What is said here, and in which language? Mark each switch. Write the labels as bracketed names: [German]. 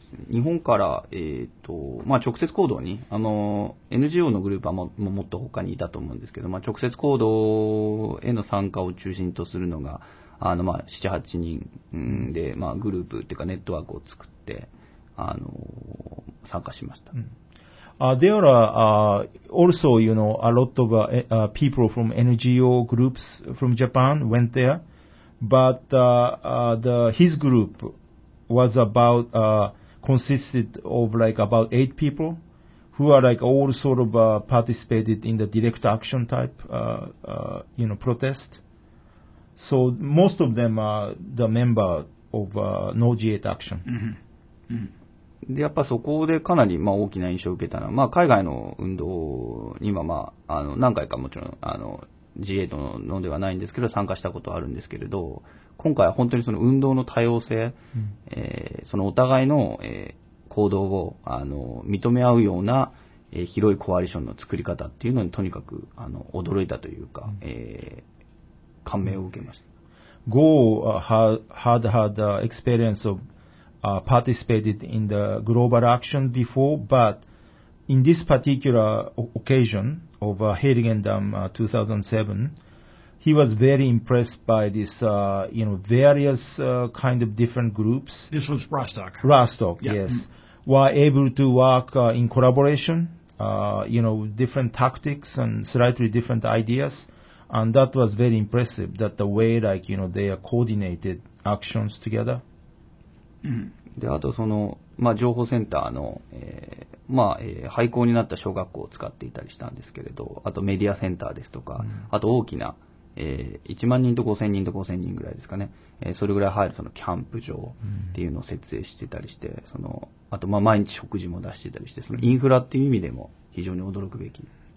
[Japanese] 日本から、まあ、直接行動に、NGO のグループはもっと他にいたと思うんですけど、まあ、直接行動への参加を中心とするのが、まあ、7、8人で、まあ、グループっていうかネットワークを作って、参加しました。うん、 [English] There are also, you know, a lot of people from NGO groups from Japan went there, but his group was about consisted of like about 8 people who are like all sort of participated in the direct action type, you know, protest. So most of them are the member of No G8 Action. Mm-hmm. Mm-hmm. [Japanese] でやっぱそこでかなりまあ大きな印象を受けたのは、まあ、海外の運動にはまあ何回かもちろんG8 のではないんですけど参加したことはあるんですけれど、今回は本当にその運動の多様性、うん、そのお互いの、行動を認め合うような、広いコアリションの作り方っていうのにとにかく驚いたというか、うん、感銘を受けました。 [English] Go had experience ofparticipated in the global action before, but in this particular occasion of Heiligendamm 2007, he was very impressed by this, you know, various kind of different groups. This was Rostock. Rostock, yeah. Yes. Mm-hmm. Were able to work in collaboration, you know, different tactics and slightly different ideas. And that was very impressive, that the way, like, you know, they are coordinated actions together. Mm-hmm. [Japanese] で、あとその、まあ、情報センターの、まあ、廃校になった小学校を使っていたりしたんですけれど、あとメディアセンターですとか、うん、あと大きな、1万人と5000人と5000人ぐらいですかね、それぐらい入るそのキャンプ場っていうのを設営してたりして、うん、そのあとまあ毎日食事も出してたりして、そのインフラっていう意味でも非常に驚くべき、